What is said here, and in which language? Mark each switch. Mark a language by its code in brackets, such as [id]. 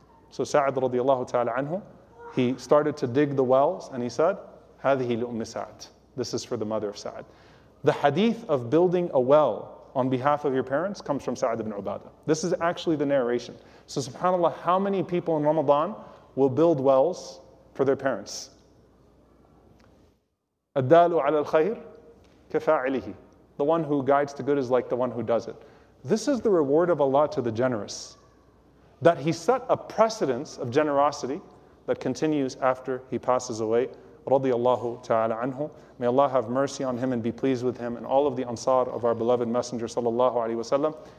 [en] So Sa'd radiallahu ta'ala anhu, he started to dig the wells and he said, [ar] هذه لأم سعد. [en] This is for the mother of Sa'd. The hadith of building a well on behalf of your parents comes from Sa'd ibn Ubadah. This is actually the narration. So subhanAllah, how many people in Ramadan will build wells for their parents? [ar] الدالو على الخير كفاعله. [en] The one who guides to good is like the one who does it. This is the reward of Allah to the generous, that he set a precedence of generosity that continues after he passes away. Radiallahu ta'ala anhu. May Allah have mercy on him and be pleased with him and all of the ansar of our beloved messenger sallallahu alayhi wasallam.